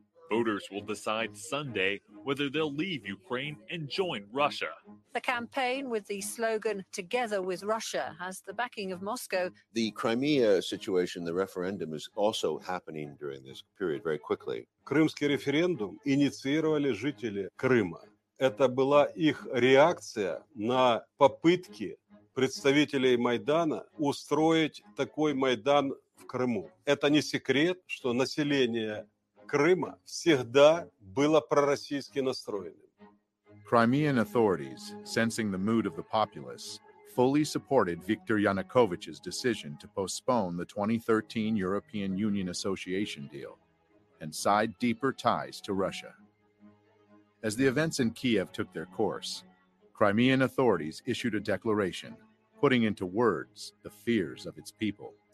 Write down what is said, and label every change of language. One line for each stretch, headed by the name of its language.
English: Voters will decide Sunday whether they'll leave Ukraine and join Russia. The campaign with the slogan "Together with Russia" has the backing of Moscow. The Crimea situation, the referendum, is also happening during this period very quickly.
Russian: Крымский референдум инициировали жители Крыма. Это была их реакция на попытки представителей Майдана устроить такой Майдан в Крыму. Это не секрет, что население Крыма всегда было пророссийски настроенным.
English: Crimean authorities, sensing the mood of the populace, fully supported Viktor Yanukovych's decision to postpone the 2013 European Union Association deal and side deeper ties to Russia. As the events in Kiev took their course, Crimean authorities issued a declaration, putting into words the fears of its people.